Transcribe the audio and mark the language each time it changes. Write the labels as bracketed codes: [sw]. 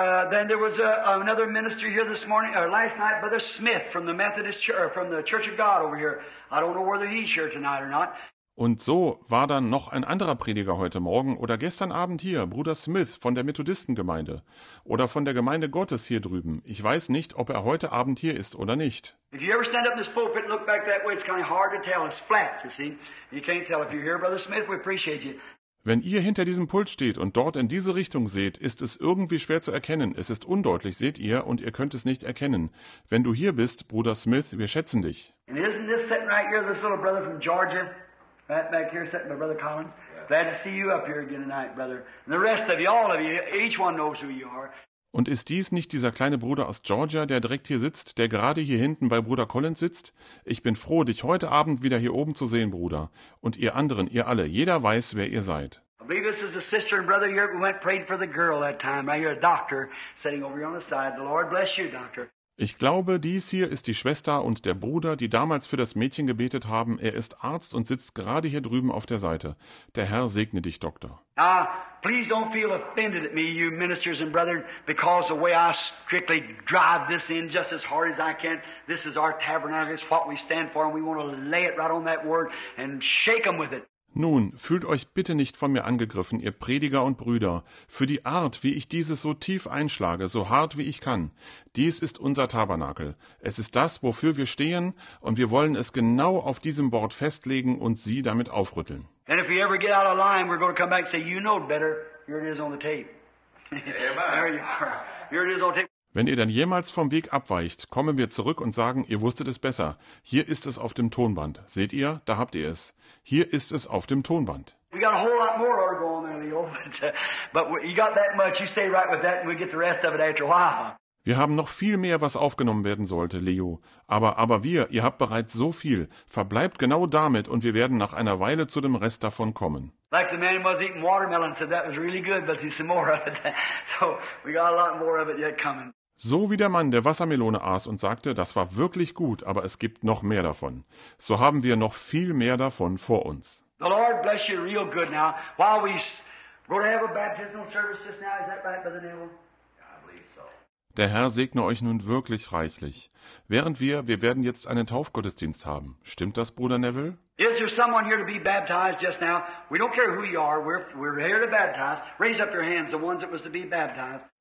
[en] Then there was another minister here this morning or last night, Brother Smith from the Methodist from the Church of God over here. I don't know whether he's here tonight or not. [de] Und so war dann noch ein anderer Prediger heute Morgen oder gestern Abend hier, Bruder Smith von der Methodistengemeinde oder von der Gemeinde Gottes hier drüben. Ich weiß nicht, ob er heute Abend hier ist oder nicht. [en] If you ever stand up in this pulpit and look back that way, it's kind of hard to tell. It's flat, you see. You can't tell if you're here, Brother Smith. We appreciate you. [de] Wenn ihr hinter diesem Pult steht und dort in diese Richtung seht, ist es irgendwie schwer zu erkennen. Es ist undeutlich, seht ihr, und ihr könnt es nicht erkennen. Wenn du hier bist, Bruder Smith, wir schätzen dich. [en] And isn't this sitting right here, this little brother from Georgia? Right back here sitting, my brother Collins. Glad to see you up here again tonight, brother. And the rest of you, all of you, each one knows who you are. [de] Und ist dies nicht dieser kleine Bruder aus Georgia, der direkt hier sitzt, der gerade hier hinten bei Bruder Collins sitzt? Ich bin froh, dich heute Abend wieder hier oben zu sehen, Bruder. Und ihr anderen, ihr alle, jeder weiß, wer ihr seid. [en] I believe this is a sister and brother here who went and prayed for the girl that time. Right here, a doctor sitting over here on the side. The Lord bless you, doctor. [de] Ich glaube, dies hier ist die Schwester und der Bruder, die damals für das Mädchen gebetet haben. Er ist Arzt und sitzt gerade hier drüben auf der Seite. Der Herr segne dich, Doktor. [en] Please don't feel offended at me, you ministers and brethren, because the way I strictly drive this in just as hard as I can, this is our tabernacle, it's what we stand for, and we want to lay it right on that word and shake them with it. [de] Nun, fühlt euch bitte nicht von mir angegriffen, ihr Prediger und Brüder, für die Art, wie ich dieses so tief einschlage, so hart wie ich kann. Dies ist unser Tabernakel. Es ist das, wofür wir stehen, und wir wollen es genau auf diesem Wort festlegen und sie damit aufrütteln. [en] And if we ever get out of line, we're going to come back and say, you know better, here it is on the tape. There you are. Here it is on tape. [de] Wenn ihr dann jemals vom Weg abweicht, kommen wir zurück und sagen, ihr wusstet es besser. Hier ist es auf dem Tonband. Seht ihr? Da habt ihr es. Hier ist es auf dem Tonband. [en] We got a whole lot more orgo on there, Leo. But you got that much, you stay right with that and we get the rest of it after a while. [de] Wir haben noch viel mehr, was aufgenommen werden sollte, Leo. Aber wir, ihr habt bereits so viel. Verbleibt genau damit und wir werden nach einer Weile zu dem Rest davon kommen. [en] Like the man who was eating watermelon said, that was really good, but there's some more of it. So we got a lot more of it yet coming. [de] So wie der Mann, der Wassermelone aß und sagte, das war wirklich gut, aber es gibt noch mehr davon. So haben wir noch viel mehr davon vor uns. [en] The Lord bless you real good now. While we go to have a baptismal service just now, is that right, Brother Neville? [de] Der Herr segne euch nun wirklich reichlich. Während wir werden jetzt einen Taufgottesdienst haben. Stimmt das, Bruder Neville? [en] Is there someone here to be baptized just now? We don't care who you are, we're here to baptize. Raise up your hands, the ones that was to be baptized.